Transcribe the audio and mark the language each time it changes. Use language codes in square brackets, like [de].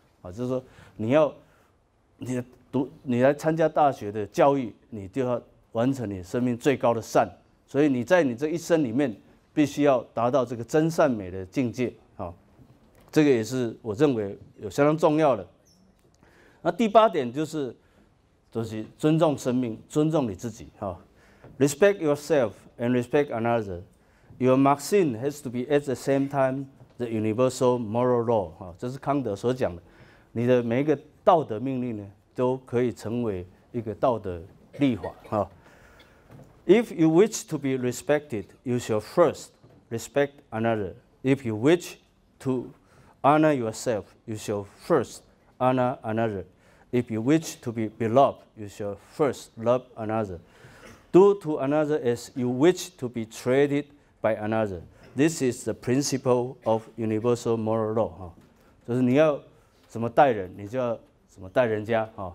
[zh] 就是说你来参加大学的教育，你就要完成你生命最高的善，所以你在你这一生里面必须要达到这个真善美的境界。这个也是我认为有相当重要的。那第八点就是尊重生命，尊重你自己。 [en] Respect yourself and respect another. Your maxim has to be at the same time the universal moral law. [zh] 这是康德所讲的，你的每一个道德命令呢，都可以成为一个道德立法。 [en] If you wish to be respected, you shall first respect another. If you wish to honor yourself, you shall first honor another. If you wish to be beloved, you shall first love another. Do to another as you wish to be treated by another. This is the principle of universal moral law. [zh] 就是你要怎么待人，你就要怎么待人家。